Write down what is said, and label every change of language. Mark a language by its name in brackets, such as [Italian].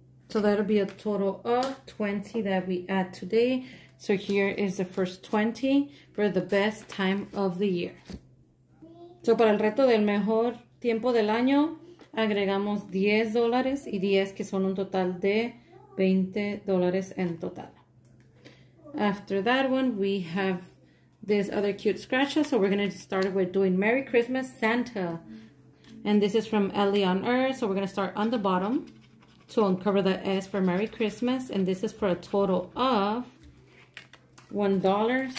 [English] So that'll be a total of 20 that we add today. So here is the first 20 for the best time of the year. [Spanish] So para el resto del mejor tiempo del año, agregamos $10 y 10 que son un total de $20 en total. [English] After that one, we have this other cute scratcher. So we're going to start with doing Merry Christmas Santa. And this is from Ellie on Earth. So we're going to start on the bottom. So uncover the S for Merry Christmas, and this is for a total of $1.